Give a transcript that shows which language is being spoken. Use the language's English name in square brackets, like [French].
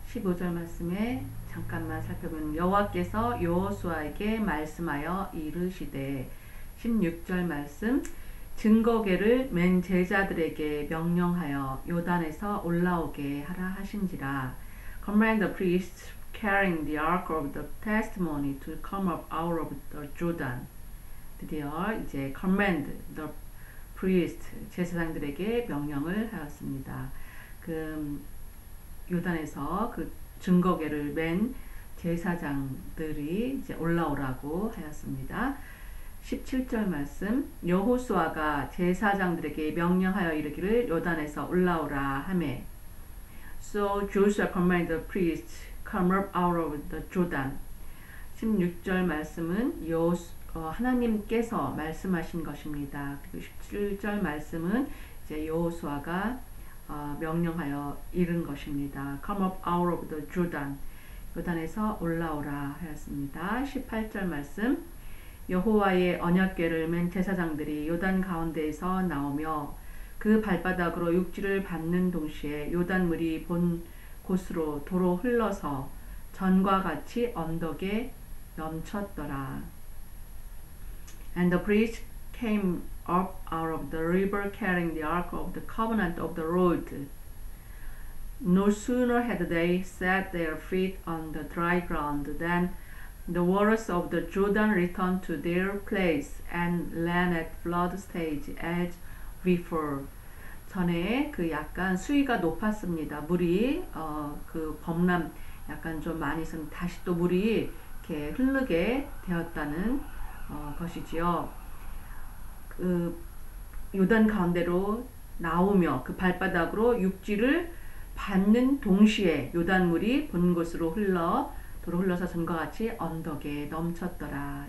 [Korean] 15절 말씀에 잠깐만 살펴보면 여호와께서 여호수아에게 말씀하여 이르시되 16절 말씀 증거계를 맨 제자들에게 명령하여 요단에서 올라오게 하라 하신지라 [English] Command the priests carrying the ark of the testimony to come up out of the Jordan [Korean] 드디어 이제 [English] command the priest [Korean] 제사장들에게 명령을 하였습니다. 그 요단에서 그 증거계를 맨 제사장들이 이제 올라오라고 하였습니다. 17절 말씀 여호수아가 제사장들에게 명령하여 이르기를 요단에서 올라오라 하매 [English] So Joshua commanded the priests come up out of the Jordan. [Korean] 16절 말씀은 하나님께서 말씀하신 것입니다. 그리고 17절 말씀은 이제 여호수아가 명령하여 이른 것입니다. [English] Come up out of the Jordan. [Korean] 요단에서 올라오라 하였습니다. 18절 말씀 여호와의 언약궤를 맨 제사장들이 요단 가운데에서 나오며 그 발바닥으로 육지를 밟는 동시에 요단 물이 본 곳으로 도로 흘러서 전과 같이 언덕에 넘쳤더라. [English] And the priest came up out of the river carrying the ark of the covenant of the Lord. No sooner had they set their feet on the dry ground than the waters of the Jordan returned to their place and ran at flood stage as before. [Korean] 전에 그 약간 수위가 높았습니다. 물이 그 범람 약간 좀 많이 있으면 다시 또 물이 이렇게 흐르게 되었다는 것이지요. 그 요단 가운데로 나오며 그 발바닥으로 육지를 밟는 동시에 요단 물이 본 곳으로 흘러 도로 흘러서 전과 같이 언덕에 넘쳤더라.